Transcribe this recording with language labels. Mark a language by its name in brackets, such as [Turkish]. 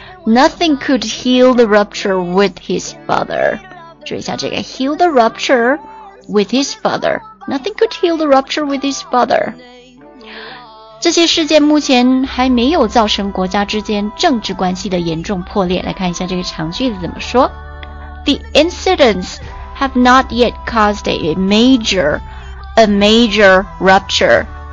[English] Nothing could heal the rupture with his father, [Chinese] 注意一下这个 [English] heal the rupture with his father. Nothing could heal the rupture with his father. [Chinese] 这些事件目前还没有造成国家之间政治关系的严重破裂。来看一下这个长句子怎么说。 [English] The incidents have not yet caused a major rupture.